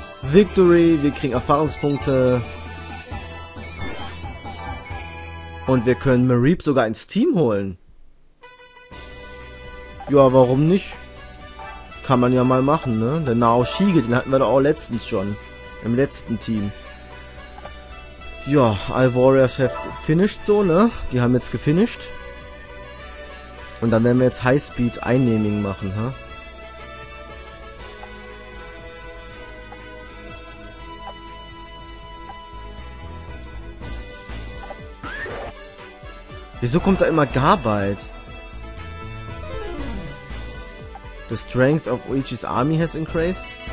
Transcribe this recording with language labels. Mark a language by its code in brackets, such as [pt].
[de] Victory, wir kriegen Erfahrungspunkte. Und wir können Mareep sogar ins Team holen. Ja, warum nicht? Kann man ja mal machen, ne? Der Naoshige, den hatten wir doch auch letztens schon. Im letzten Team. [en] Ja, all Warriors have finished so, ne? [de] Die haben jetzt gefinished. Und dann werden wir jetzt Highspeed Einnehming machen, ha? Wieso kommt da immer Garbite? [en] The strength of Uichi's army has increased.